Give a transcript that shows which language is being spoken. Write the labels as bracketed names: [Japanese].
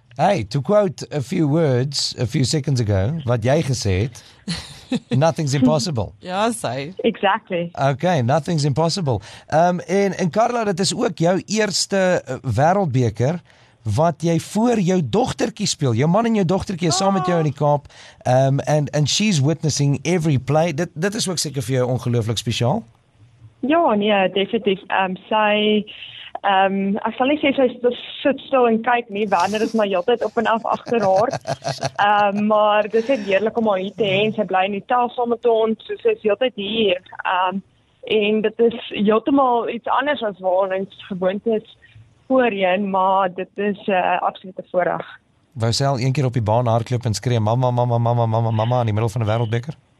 [English] Hey, to quote a few words a few seconds ago, [Afrikaans] wat jy gesê het, [English] nothing's impossible. [Afrikaans] Ja, sê. [English] Exactly. Okay, nothing's impossible. [Afrikaans] En Karla, dit is ook jou eerste wêreldbeker wat jy voor jou dogtertjie speel. Jou man en jou dogtertjie is saam met jou in die Kaap. [English] And she's witnessing every play. [Afrikaans] Dit is ook seker vir jou ongelooflik spesiaal. Ja, nee, definitief. Sy, ek sal nie sê, sy sit stil en kyk nie, Werner is maar altyd op en af achter haar. Maar dit is heerlik om haar hier te heen. Sy bly in die taal saam met ons, so sy is altyd hier. En dit is heeltemal iets anders as waar ons gewoond is voorheen, maar dit is absolute voorreg. Wou sy al een keer op die baan hardloop en skree, mama, mama, mama, mama, mama, in die middel van die wêreldbeker?